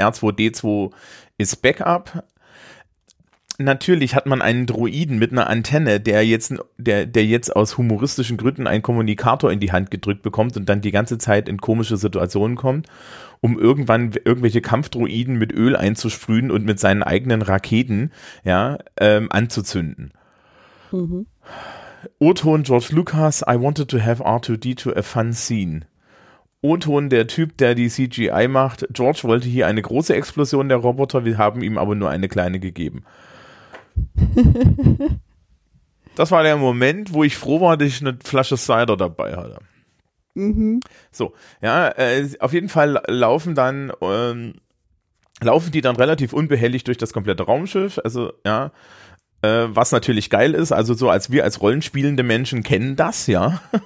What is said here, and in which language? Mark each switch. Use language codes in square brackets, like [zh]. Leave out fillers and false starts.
[de] R2-D2 ist Backup. Natürlich hat man einen Droiden mit einer Antenne, der jetzt aus humoristischen Gründen einen Kommunikator in die Hand gedrückt bekommt und dann die ganze Zeit in komische Situationen kommt, um irgendwann irgendwelche Kampfdroiden mit Öl einzusprühen und mit seinen eigenen Raketen, ja, anzuzünden. Mhm. O-Ton [en] George Lucas, I wanted to have R2-D2 a fun scene. [de] O-Ton, der Typ, der die CGI macht, George wollte hier eine große Explosion der Roboter, wir haben ihm aber nur eine kleine gegeben. Das war der Moment, wo ich froh war, dass ich eine Flasche Cider dabei hatte. Mhm. So, ja, auf jeden Fall laufen die dann relativ unbehelligt durch das komplette Raumschiff, also ja, was natürlich geil ist, also so als wir als rollenspielende Menschen kennen das, ja.